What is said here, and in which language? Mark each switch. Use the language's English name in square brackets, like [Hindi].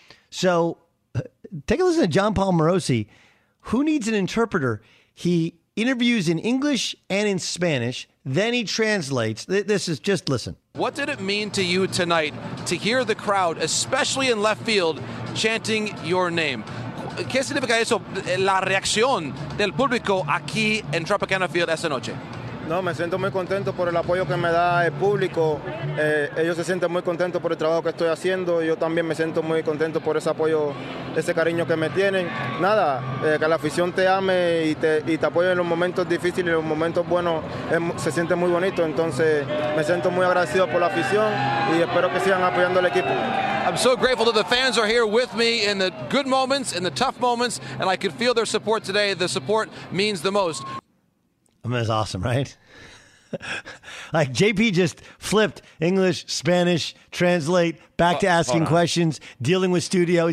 [English] So take a listen to John Paul Morosi. Who needs an interpreter? He interviews in English and in Spanish. Then he translates. This is just listen. What did it mean to you tonight to hear the crowd, especially in left field, chanting your name? [Spanish] ¿Qué significa eso? La reacción del público aquí en Tropicana Field esta noche. No, me siento muy contento por el apoyo que me da el público. Ellos se sienten muy contentos por el trabajo que estoy haciendo. Yo también me siento muy contento por ese apoyo, ese cariño que me tienen. Nada, que la afición te ame y te apoye en los momentos difíciles y los momentos buenos, se siente muy bonito. Entonces, me siento muy agradecido por la afición y espero que sigan apoyando al equipo. [English] I'm so grateful that the fans are here with me in the good moments, in the tough moments, and I could feel their support today. The support means the most. I mean, that's awesome, right? Like, JP just flipped English, Spanish, translate, back to asking questions, dealing with studio.